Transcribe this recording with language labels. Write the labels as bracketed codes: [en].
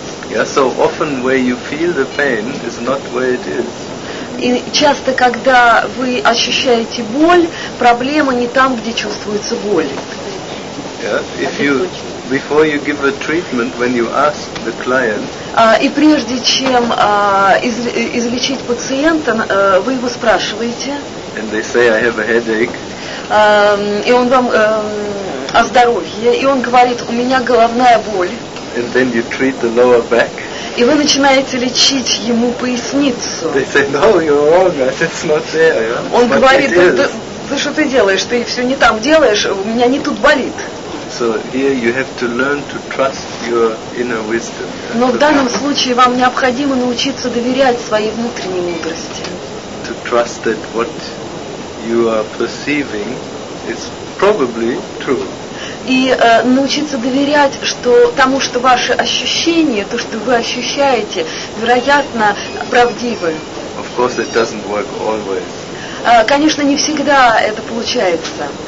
[en] Yeah, so often where you feel the pain is not where it is. [ru] И часто, когда вы ощущаете боль, проблема не там, где чувствуется боль. [en] Yeah, if you before you give a treatment, when you ask the client. [ru] И прежде чем излечить пациента, вы его спрашиваете. [en] And they say I have a headache. [ru] И он вам о здоровье, и он говорит, у меня головная боль. [en] And then you treat the lower back. [ru] И вы начинаете лечить ему поясницу. [en] They say no, you're wrong. It's not there. Yeah? [ru] Он говорит, ты что ты делаешь? Ты все не там делаешь. У меня не тут болит. [en] So here you have to learn to trust your inner wisdom. [ru] Но в данном случае вам необходимо научиться доверять своей внутренней мудрости. [en] To trust that what you are perceiving is probably true. [ru] И научиться доверять что тому, что ваши ощущения, то, что вы ощущаете, вероятно, правдивы. [en] Of course it doesn't work always. [ru] Конечно, не всегда это получается.